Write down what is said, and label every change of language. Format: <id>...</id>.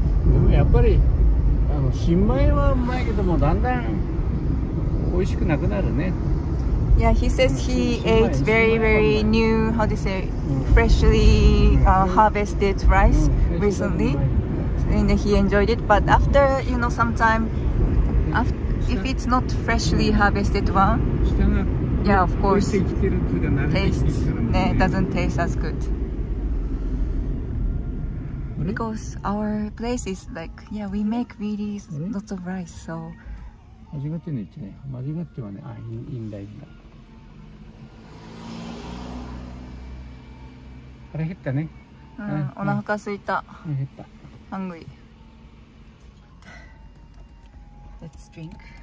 <ja>でもやっぱり新米はうまいけどもだんだん美味しくなくなるね。</ja> <en>Yeah, he says he ate very, very new, how do you say, freshly harvested rice recently, and he enjoyed it. But after, you know, sometimeIf it's not freshly harvested one, yeah, of course, it doesn't taste as good. because our place is like, yeah, we make really lots of rice, so.</en> <ja>間違ってね、言ってね。間違ってはね、あ、いいんだ、いいんだ。腹減ったね。うん、お腹空いた。腹減った。</ja> <en>Hungry. Let's drink.</en>